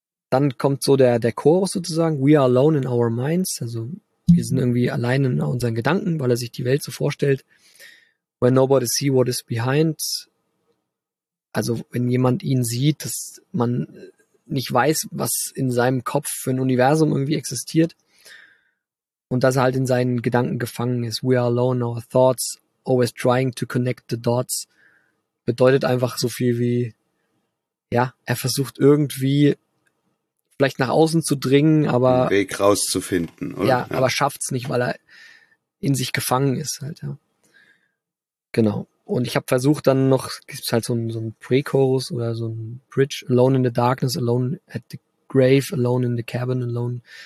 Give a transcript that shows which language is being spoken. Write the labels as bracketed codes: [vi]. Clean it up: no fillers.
[de] Dann kommt so der Chorus sozusagen, [en] we are alone in our minds, [de] also wir sind irgendwie allein in unseren Gedanken, weil er sich die Welt so vorstellt. [en] When nobody see what is behind, [de] also wenn jemand ihn sieht, dass man nicht weiß, was in seinem Kopf für ein Universum irgendwie existiert. Und dass er halt in seinen Gedanken gefangen ist. [en] We are alone, our thoughts, always trying to connect the dots. [de] Bedeutet einfach so viel wie, er versucht irgendwie vielleicht nach außen zu dringen, aber einen Weg rauszufinden, oder? Ja, ja, aber schafft's nicht, weil er in sich gefangen ist, halt, ja. Genau. Und ich habe versucht, dann noch, gibt's halt so ein Pre-Chorus oder so ein Bridge, [en] Alone in the Darkness, Alone at the Grave, Alone in the Cabin, Alone.